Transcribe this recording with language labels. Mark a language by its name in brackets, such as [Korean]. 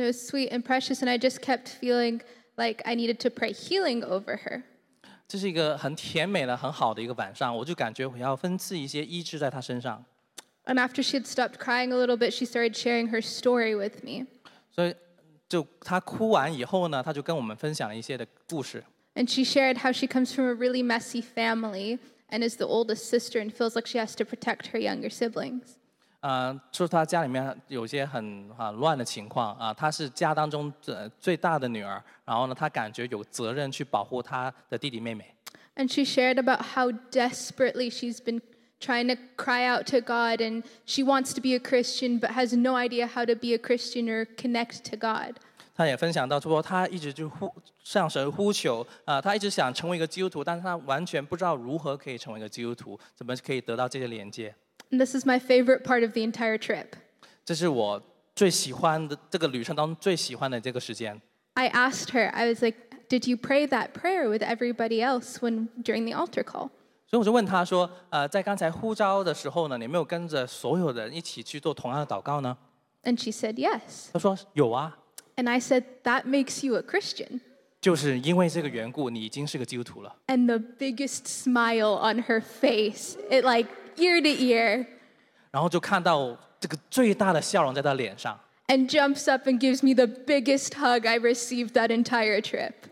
[English] it was sweet and precious, and I just kept feeling like I needed to pray healing over her. [Chinese] 这是一个很甜美的、很好的一个晚上，我就感觉我要分赐一些医治在她身上。 [English] And after she had stopped crying a little bit, she started sharing her story with me. [Chinese] 就她哭完以后呢，她就跟我们分享了一些的故事。 [English] And she shared how she comes from a really messy family and is the oldest sister and feels like she has to protect her younger siblings. [Chinese] 说她家里面有些很乱的情况，她是家当中最大的女儿，然后呢，她感觉有责任去保护她的弟弟妹妹。 [English] And she shared about how desperately she's been trying to cry out to God, and she wants to be a Christian but has no idea how to be a Christian or connect to God. [Chinese] 她也分享到说她一直就向神呼求，她一直想成为一个基督徒，但是她完全不知道如何可以成为一个基督徒，怎么可以得到这些连接。 [English] This is my favorite part of the entire trip. [Chinese] 这是我最喜欢的这个旅程当中最喜欢的这个时间。 [English] I asked her, I was like, did you pray that prayer with everybody else when during the altar call? [Chinese] 所以我就问她说，在刚才呼召的时候呢，你没有跟着所有人一起去做同样的祷告呢？ [English] And she said yes. [Chinese] 她说有啊。 [English] And I said, that makes you a Christian. [Chinese] 就是因为这个缘故，你已经是个基督徒了。 [English] And the biggest smile on her face, it like ear to ear. [Chinese] 然后就看到这个最大的笑容在她脸上。 [English] And jumps up and gives me the biggest hug I received that entire trip.